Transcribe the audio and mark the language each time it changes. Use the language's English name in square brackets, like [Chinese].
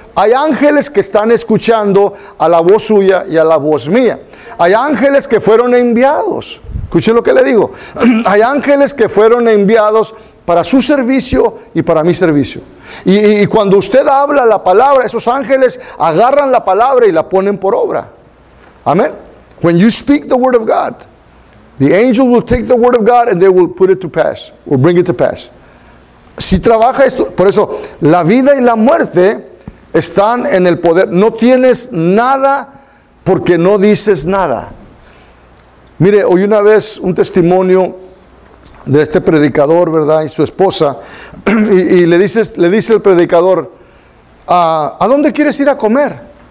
[Spanish] Hay ángeles que están escuchando a la voz suya y a la voz mía. Hay ángeles que fueron enviados. Escuche lo que le digo. Hay ángeles que fueron enviados para su servicio y para mi servicio. Y cuando usted habla la palabra, esos ángeles agarran la palabra y la ponen por obra. Amén. [English] When you speak the word of God, the angel will take the word of God and they will put it to pass, or bring it to pass. [Spanish] Si trabaja esto, por eso, la vida y la muerte están en el poder. No tienes nada porque no dices nada. Mire, oí una vez un testimonio de este predicador, ¿verdad? Y su esposa, y le dice el predicador, ¿a dónde quieres ir a comer?